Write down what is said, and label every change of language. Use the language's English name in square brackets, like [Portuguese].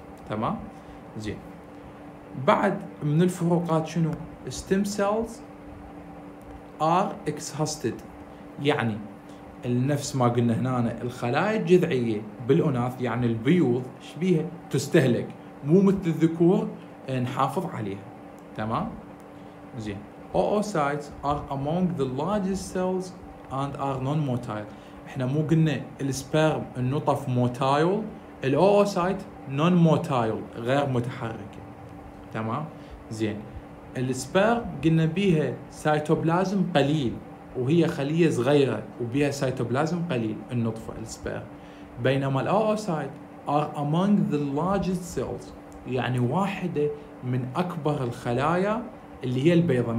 [Arabic] تمام؟ زين، بعد من الفروقات شنو؟ [English] stem cells are exhausted، [Arabic] يعني نفس ما قلنا هنا الخلايا الجذعية بالأناث يعني البيوض شبيها تستهلك، مو مثل الذكور نحافظ عليها. تمام؟ زين، [English] Oocytes are among the largest cells and are non-motile. [Arabic] احنا مو قلنا السبرم النطف موتايل، الأوسايت non-motile غير متحركة. تمام؟ زين، السبرم قلنا بيها سايتوبلازم قليل، وهي خلية صغيرة وبيها سايتوبلازم قليل النطفة السبرم، بينما الأوسايت [English] are among the largest cells، [Arabic] يعني واحدة من أكبر الخلايا اللي هي البيضة.